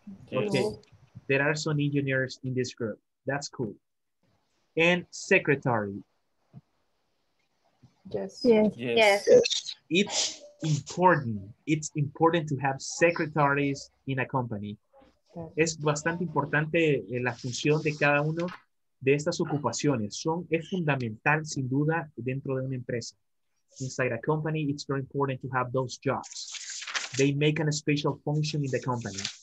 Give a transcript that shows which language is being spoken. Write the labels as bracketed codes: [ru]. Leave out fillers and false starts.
[en] Okay. There are some engineers in this group. That's cool. And secretary. Yes. Yes. It's important. It's important to have secretaries in a company. [es] Es bastante importante la función de cada uno de estas ocupaciones. Es fundamental, sin duda, dentro de una empresa. [en] Inside a company, it's very important to have those jobs. They make a special function in the company.